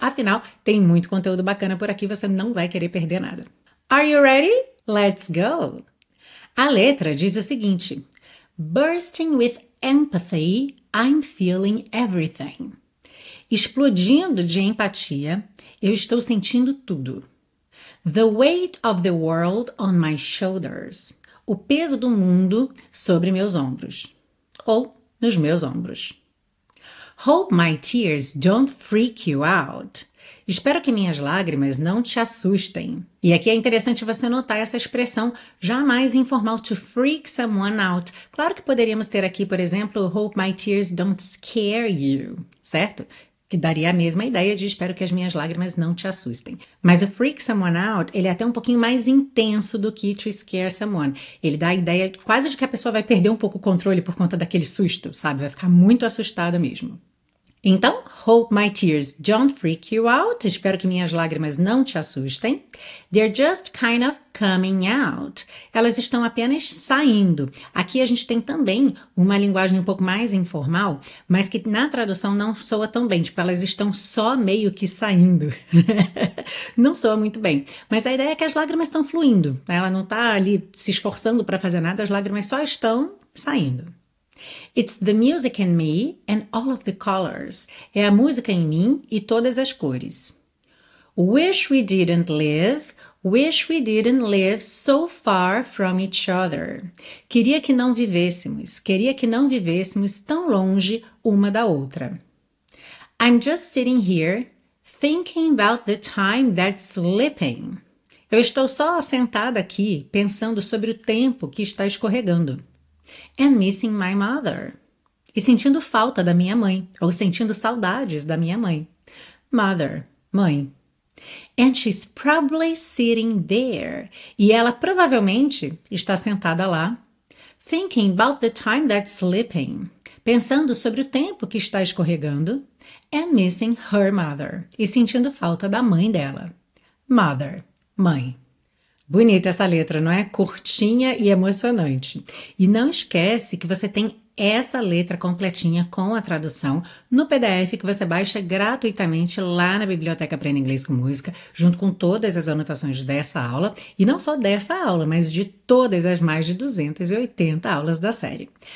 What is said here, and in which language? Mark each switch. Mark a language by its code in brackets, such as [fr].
[pt] Afinal, tem muito conteúdo bacana por aqui, você não vai querer perder nada. [en] Are you ready? Let's go! [pt] A letra diz o seguinte: [en] Bursting with empathy, I'm feeling everything. [pt] Explodindo de empatia, eu estou sentindo tudo. [en] The weight of the world on my shoulders. [pt] O peso do mundo sobre meus ombros. Ou nos meus ombros. [en] Hope my tears don't freak you out. [pt] Espero que minhas lágrimas não te assustem. E aqui é interessante você notar essa expressão jamais informal, [en] to freak someone out. [pt] Claro que poderíamos ter aqui, por exemplo, [en] hope my tears don't scare you, [pt] certo? Que daria a mesma ideia de espero que as minhas lágrimas não te assustem. Mas o [en] freak someone out, [pt] ele é até um pouquinho mais intenso do que [en] to scare someone. [pt] Ele dá a ideia quase de que a pessoa vai perder um pouco o controle por conta daquele susto, sabe? Vai ficar muito assustada mesmo. [en] Então, hope my tears don't freak you out. [pt] Espero que minhas lágrimas não te assustem. [en] They're just kind of coming out. [pt] Elas estão apenas saindo. Aqui a gente tem também uma linguagem um pouco mais informal, mas que na tradução não soa tão bem. Tipo, elas estão só meio que saindo. Não soa muito bem. Mas a ideia é que as lágrimas estão fluindo. Ela não está ali se esforçando para fazer nada. As lágrimas só estão saindo. [en] It's the music in me and all of the colors. [pt] É a música em mim e todas as cores. [en] Wish we didn't live so far from each other. [pt] Queria que não vivêssemos tão longe uma da outra. [en] I'm just sitting here thinking about the time that's slipping. [pt] Eu estou só sentada aqui pensando sobre o tempo que está escorregando. [en] And missing my mother. [pt] E sentindo falta da minha mãe, ou sentindo saudades da minha mãe. Mother, mãe. [en] And she's probably sitting there. [pt] E ela provavelmente está sentada lá. [en] Thinking about the time that's slipping. [pt] Pensando sobre o tempo que está escorregando. [en] And missing her mother. [pt] E sentindo falta da mãe dela. Mother, mãe. Bonita essa letra, não é? Curtinha e emocionante. E não esquece que você tem essa letra completinha com a tradução no PDF que você baixa gratuitamente lá na Biblioteca Aprenda Inglês com Música, junto com todas as anotações dessa aula, e não só dessa aula, mas de todas as mais de 280 aulas da série.